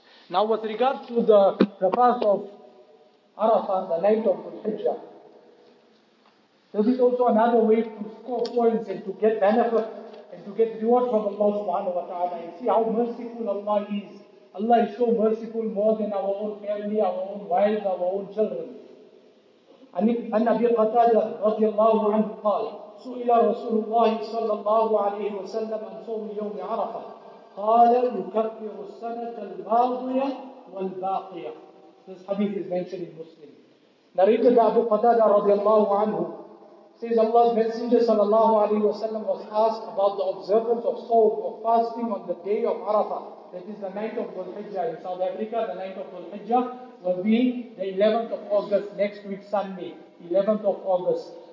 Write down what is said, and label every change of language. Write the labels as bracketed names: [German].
[English] Now with regard to the fast of Arafah, the night of Dhul Hijjah, this is also another way to score points and to get benefit and to get reward from Allah subhanahu wa ta'ala. You see how merciful Allah is. Allah is so merciful more than our own family, our own wives, our own children. [Arabic] أن أبي قتادة رضي الله عنه قال سئل رسول الله صلى الله عليه وسلم عن صوم يوم عرفة قال يكفر السنة الماضية والباقية. [English] This hadith is mentioned in Muslim. Narrated by Abu Qatada رضي الله عنه, says Allah's Messenger صلى الله عليه وسلم was asked about the observance of صوم, of fasting on the day of عرفة. That is the night of Dhul Hijjah. In South Africa, the night of Dhul Hijjah will be the 11th of August, next week, Sunday, 11th of August.